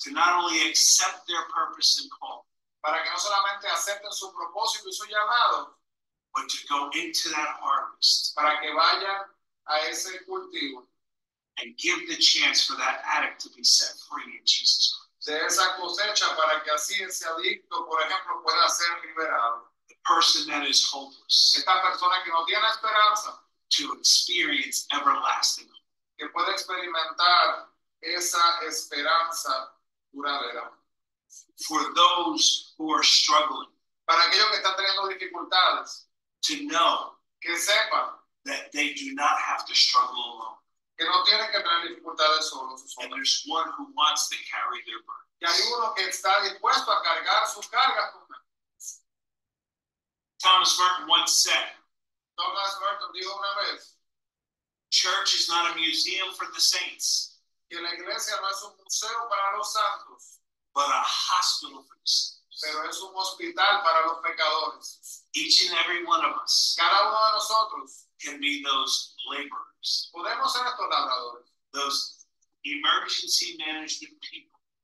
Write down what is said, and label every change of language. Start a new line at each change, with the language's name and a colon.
English: To not only accept their purpose and call.
Spanish: Para que no solamente acepten su propósito y su llamado.
English: But to go into that harvest.
Spanish: Para que vayan a ese cultivo.
English: And give the chance for that addict to be set free in Jesus Christ.
Spanish: De esa cosecha para que así ese adicto, por ejemplo, pueda ser liberado.
English: The person that is hopeless.
Spanish: Esta persona que no tiene esperanza.
English: To experience everlasting.
Spanish: Que pueda experimentar esa esperanza duradera.
English: For those who are struggling.
Spanish: Para aquellos que están teniendo dificultades.
English: To know.
Spanish: Que sepan.
English: That they do not have to struggle alone.
Spanish: Que no tienen que tener dificultades solos.
English: And there's one who wants to carry their burdens.
Spanish: Y hay uno que está dispuesto a cargar sus cargas.
English: Thomas Merton once said.
Spanish: Thomas Merton dijo una vez.
English: Church is not a museum for the saints.
Spanish: Que la iglesia no es un museo para los santos.
English: But a hospital for the saints.
Spanish: Pero es un hospital para los pecadores.
English: Each and every one of us.
Spanish: Cada uno de nosotros.
English: Can be those laborers.
Spanish: Podemos ser estos labradores.
English: Those emergency management people.